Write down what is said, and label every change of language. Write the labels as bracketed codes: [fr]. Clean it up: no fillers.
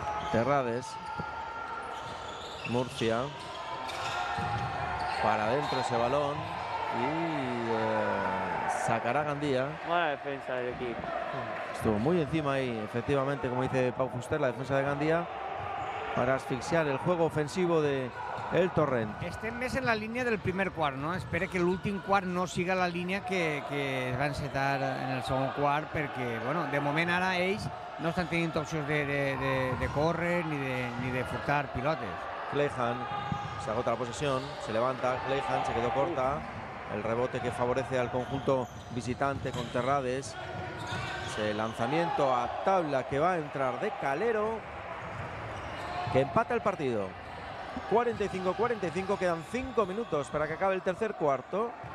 [es] Terrades. Murcia. Para adentro ese balón y sacará Gandía. Buena defensa del equipo. Estuvo muy encima ahí, efectivamente, como dice Pau Fuster, la defensa de Gandía para asfixiar el juego ofensivo de el Torrent. [ca] Estem més en la línia del primer quart, no? Espera que l'últim quart no siga la línia que es va encetar en el segon quart, perquè, bueno, de moment ara ells no estan tenint opcions de córrer ni de furtar pilotes. [es] Clayhan. Se agota la posesión, se levanta, Clayhan se quedó corta. El rebote que favorece al conjunto visitante con Terrades. Ese lanzamiento a tabla que va a entrar de Calero. Que empata el partido. 45-45, quedan 5 minutos para que acabe el tercer cuarto.